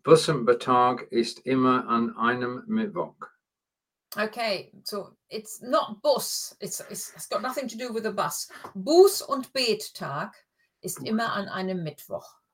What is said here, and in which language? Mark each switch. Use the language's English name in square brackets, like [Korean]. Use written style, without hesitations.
[German] Bus und Betag ist immer an einem Mittwoch. [English] Okay, so it's not bus. It's got nothing to do with a bus. [German] Bus und Betag ist immer an einem Mittwoch.